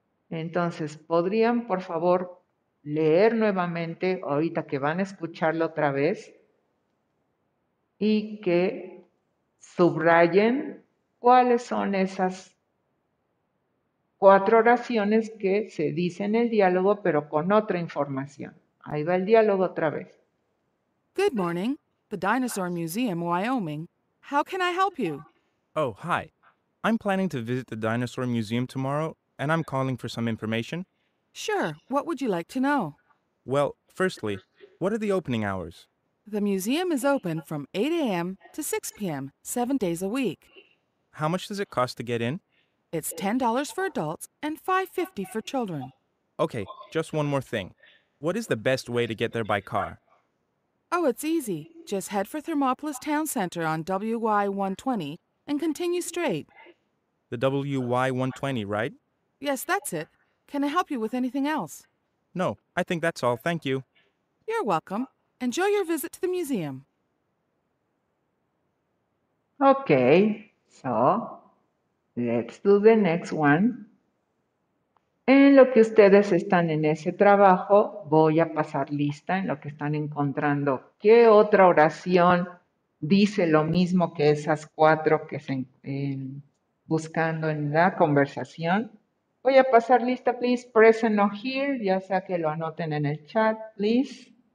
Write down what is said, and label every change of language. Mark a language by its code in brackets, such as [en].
[es] Entonces, ¿podrían, por favor, leer nuevamente, ahorita que van a escucharlo otra vez, y que subrayen cuáles son esas cuatro oraciones que se dicen en el diálogo, pero con otra información? Ahí va el diálogo otra vez. [en] Good morning. The Dinosaur Museum, Wyoming. How can I help you? Oh, hi. I'm planning to visit the Dinosaur Museum tomorrow, and I'm calling for some information. Sure. What would you like to know? Well, firstly, what are the opening hours? The museum is open from 8 a.m. to 6 p.m., 7 days a week. How much does it cost to get in? It's $10 for adults and $5.50 for children. Okay, just one more thing. What is the best way to get there by car? Oh, it's easy. Just head for Thermopolis Town Center on WY-120 and continue straight. The WY-120, right? Yes, that's it. Can I help you with anything else? No, I think that's all. Thank you. You're welcome. Enjoy your visit to the museum. Okay, so let's do the next one. [es] En lo que ustedes están en ese trabajo, voy a pasar lista en lo que están encontrando. ¿Qué otra oración dice lo mismo que esas cuatro que están buscando en la conversación? Voy a pasar lista, [en] please, present or here, [es] ya sea que lo anoten en el chat, [en] please.